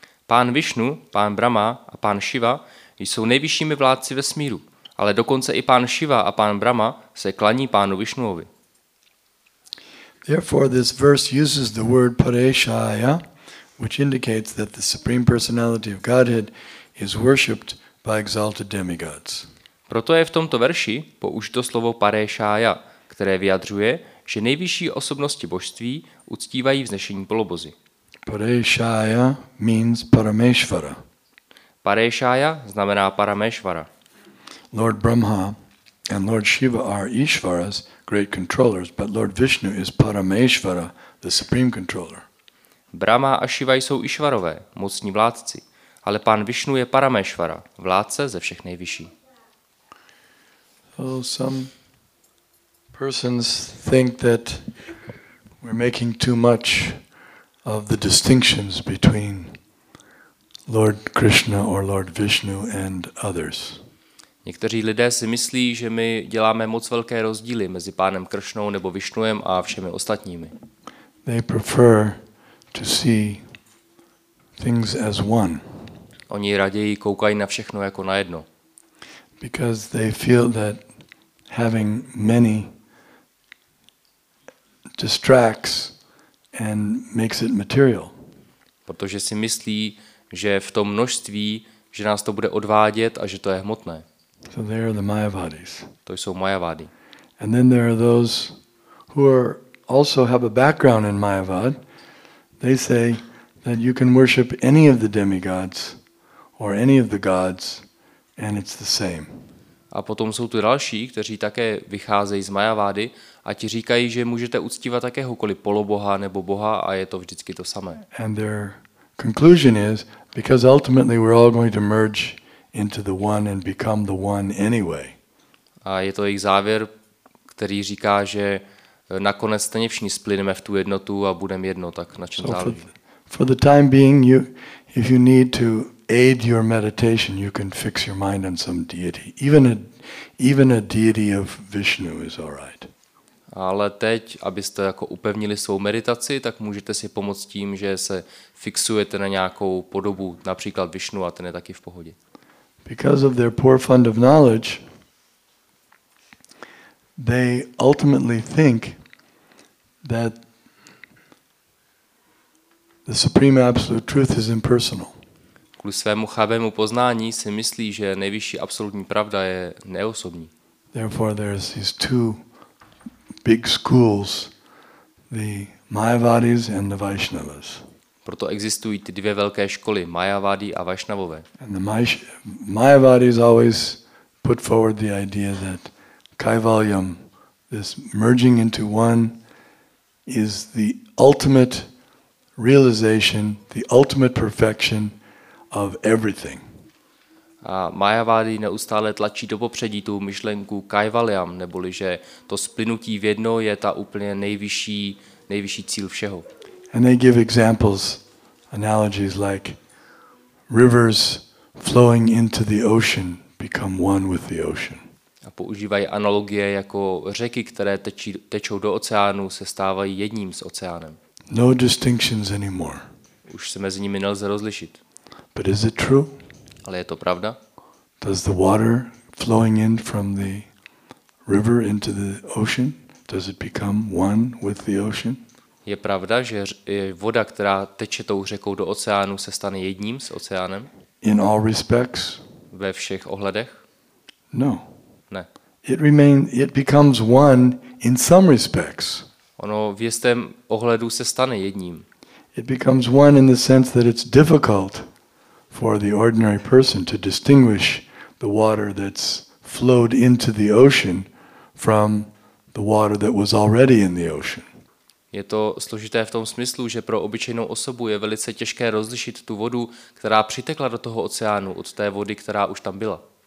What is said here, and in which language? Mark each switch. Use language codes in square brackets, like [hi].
[cs] Pán Vishnu, pán Brahma a pán Shiva jsou nejvyššími vládci vesmíru. Ale dokonce i pán Shiva a pán Brahma se klaní pánu Vishnuovi. [en] Therefore this verse uses the word pareshaya, which indicates that the supreme personality of Godhead is worshipped by exalted demigods. [cs] Proto je v tomto verši použito slovo pareshaya, které vyjadřuje, že nejvyšší osobnosti božství uctívají vznešení polobozy. [en] Pareshaya means parameshvara. [cs] Pareshaya znamená parameshvara. [en] Lord Brahma and Lord Shiva are Ishvaras, great controllers, but Lord Vishnu is Parameshvara, the supreme controller. [cs] Brahma a Shiva jsou Ishvarové, mocní vládci, ale pán Vishnu je Parameshvara, vládce ze všech nejvyšší. [en] Well, some persons think that we're making too much of the distinctions between Lord Krishna or Lord Vishnu and others. [cs] Někteří lidé si myslí, že my děláme moc velké rozdíly mezi pánem Kršnou nebo Višnujem a všemi ostatními. [en] They prefer to see things as one. [cs] Oni raději koukají na všechno jako na jedno. [en] Because they feel that having many distracts and makes it material. [cs] Protože si myslí, že v tom množství, že nás to bude odvádět a že to je hmotné. [en] So there are the Mayavadis. [cs] To jsou Mayavadi. [en] And then there are those who are also have a background in Mayavad. They say that you can worship any of the demigods or any of the gods and it's the same. [cs] A potom jsou tu další, kteří také vycházejí z Mayavady a ti říkají, že můžete uctívat jakéhokoliv poloboha nebo boha a je to vždycky to samé. [en] And their conclusion is because ultimately we're all going to merge into the one and become the one anyway. [cs] A je to jejich závěr, který říká, že nakonec stejně všichni splyneme v tu jednotu a budeme jedno, tak na čem záleží. [en] For the time being, you, if you need to aid your meditation, you can fix your mind on some deity. Even a deity of Vishnu is all right. [cs] Ale teď, abyste jako upevnili svou meditaci, tak můžete si pomoct tím, že se fixujete na nějakou podobu, například Vishnu, a ten je taky v pohodě. [en] Because of their poor fund of knowledge, they ultimately think that the supreme absolute truth is impersonal. [cs] Kvůli svému chabému poznání si myslí, že nejvyšší absolutní pravda je neosobní. [en] Therefore there is these two big schools, the Mayavadis and the Vaishnavas. [cs] Proto existují ty dvě velké školy, Mayavadi a Vaishnavové. [en] And the Mayavadis always put forward the idea that Kaivalyam, this merging into one, is the ultimate realization, the ultimate perfection of everything. [cs] A Mayavadi neustále tlačí do popředí tu myšlenku Kaivalyam, neboli že to splynutí v jedno je ta úplně nejvyšší cíl všeho. [en] And they give examples, analogies like rivers flowing into the ocean become one with the ocean. [cs] A používají analogie jako řeky, které tečou do oceánu, se stávají jedním s oceánem. [en] No distinctions anymore. [cs] Už se mezi nimi nelze rozlišit. [en] But is it true? [cs] Ale je to pravda? [en] Does the water flowing in from the river into the ocean, does it become one with the ocean? [cs] Je pravda, že voda, která teče tou řekou do oceánu, se stane jedním s oceánem? [en] In all respects? [cs] Ve všech ohledech? [en] No. [cs] Ne. [en] It becomes one in some respects. [cs] Ono v jistém ohledu se stane jedním. [en] It becomes one in the sense that it's difficult for the ordinary person to distinguish the water that's flowed into the ocean from the water that was already in the ocean. [cs] Je to složité v tom smyslu, že pro obyčejnou osobu je velice těžké rozlišit tu vodu, která přitekla do toho oceánu, od té vody, která už tam byla.